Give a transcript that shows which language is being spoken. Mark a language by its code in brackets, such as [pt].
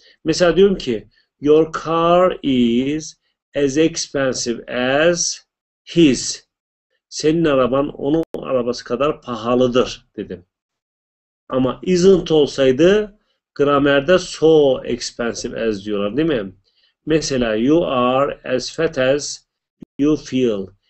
[tr] Mesela diyorum ki, [en] your car is as expensive as his. [tr] Senin araban onun arabası kadar pahalıdır dedim. Ama isn't olsaydı gramerde [en] so expensive as [tr] diyorlar değil mi? Mesela [en] you are as fat as you feel.